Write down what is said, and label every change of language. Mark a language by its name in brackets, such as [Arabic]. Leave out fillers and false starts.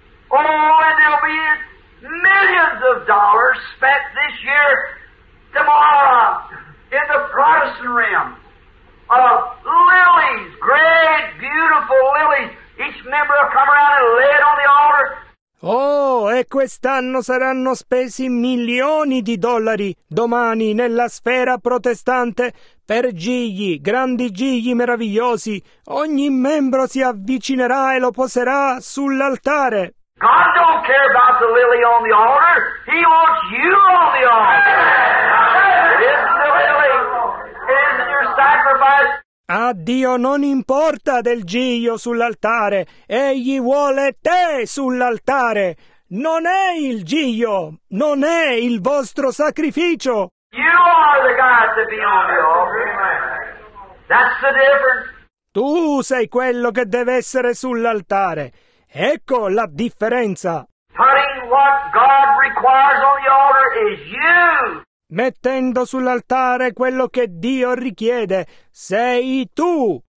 [English] Oh, and there'll be millions of dollars spent this year tomorrow in the Protestant realm of lilies, great, beautiful lilies. Each member will come around and lay it on the altar. [Italian] Oh, e quest'anno saranno spesi milioni di dollari domani nella sfera protestante per gigli, grandi gigli meravigliosi. Ogni membro si avvicinerà e lo poserà sull'altare. [English] God don't care about the lily on the altar. He wants you on the altar. It's the lily. It's your sacrifice. [Italian] A Dio non importa del giglio sull'altare, egli vuole te sull'altare. Non è il giglio, non è il vostro sacrificio. [English] You are the God to be on the altar. That's the difference. [Italian] Tu sei quello che deve essere sull'altare. Ecco la differenza. [English] Putting what God requires on the altar is you. [Italian] Mettendo sull'altare quello che Dio richiede, sei tu.